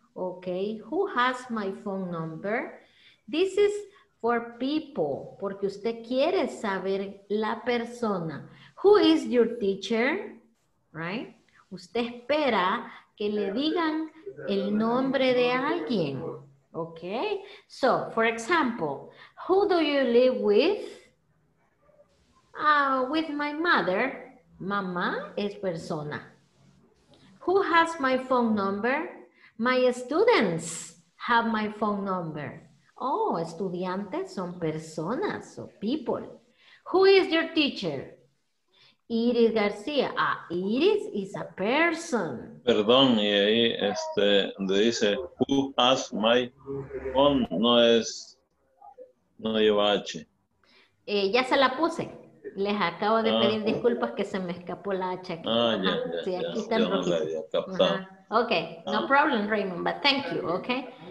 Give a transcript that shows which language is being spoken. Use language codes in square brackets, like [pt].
[en] Okay, who has my phone number? This is for people, [es] porque usted quiere saber la persona. [en] Who is your teacher? Right? [es] Usted espera que le digan el nombre de alguien. [en] Okay, so for example, who do you live with? With my mother. [es] Mamá es persona. [en] Who has my phone number? My students have my phone number. [es] Oh, estudiantes son personas, [en] so people. Who is your teacher? Iris García. Ah, Iris is a person. [es] Perdón, y ahí este, donde dice, who has my phone, no es, no lleva H. Ya se la puse. Les acabo de pedir disculpas que se me escapó la H aquí. [en] Okay, no problem, Raymond, but thank you, okay?